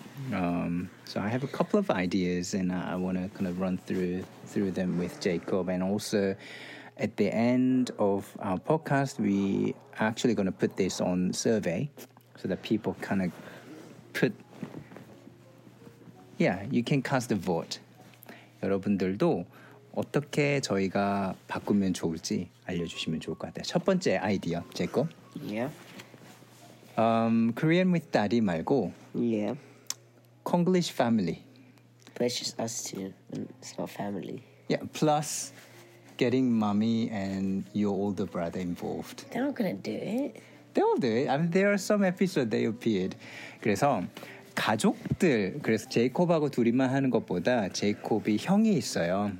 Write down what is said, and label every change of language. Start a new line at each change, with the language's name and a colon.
English: So I have a couple of ideas, and I want to kind of run through them with Jacob. And also, at the end of our podcast, we are actually going to put this on survey, so that people kind of put. Yeah, you can cast a vote.
Korean: 여러분들도 어떻게 저희가 바꾸면 좋을지 알려주시면 좋을 것 같아요. 첫 번째 아이디어, 제 거.
English: Yeah.
Korean: Korean with Daddy 말고.
English: Yeah. Konglish family. That's just us two. It's not family. Yeah, plus getting mommy and your older brother involved. They're not gonna do it. They'll do it. I mean, there are some episodes they appeared.
Korean: 그래서 가족들, 그래서 제이콥하고 둘이만 하는 것보다 제이콥이 형이 있어요.